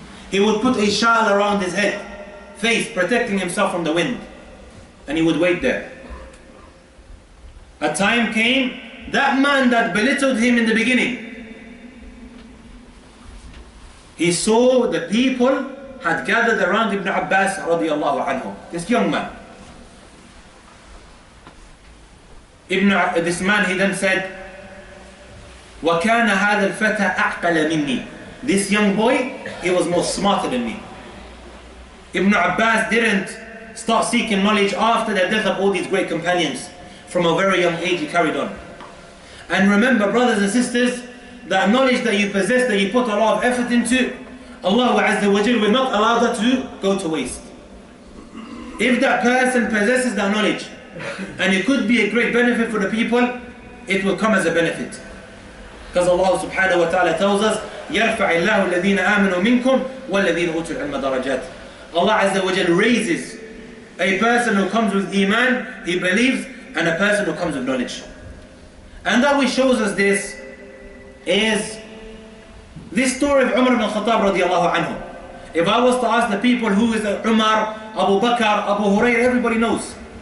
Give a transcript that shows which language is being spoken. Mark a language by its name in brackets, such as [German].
[English] He would put a shawl around his head, face, protecting himself from the wind. And he would wait there. A time came, that man that belittled him in the beginning, he saw the people had gathered around Ibn Abbas radiallahu anhu, this young man. This man then said, [Arabic] وَكَانَ هَذَا الْفَتَى أَعْقَلَ مِنِّي. [English] This young boy, he was more smarter than me. Ibn Abbas didn't start seeking knowledge after the death of all these great companions. From a very young age, he carried on. And remember, brothers and sisters, that knowledge that you possess, that you put a lot of effort into, Allah Azza wa Jal will not allow that to go to waste. If that person possesses that knowledge, and it could be a great benefit for the people, it will come as a benefit. Because Allah subhanahu wa ta'ala tells us, [Arabic] يَرْفَعِ اللَّهُ الَّذِينَ آمَنُوا مِنْكُمْ وَالَّذِينَ أُوتُوا الْعِلْمَ دَرَجَاتٍ. [English] Allah Azza wa Jal raises a person who comes with iman, he believes, and a person who comes with knowledge. And that which shows us this is this story of Umar ibn al-Khattab radiallahu anhu. If I was to ask the people who is Umar, Abu Bakr, Abu Hurairah, everybody knows.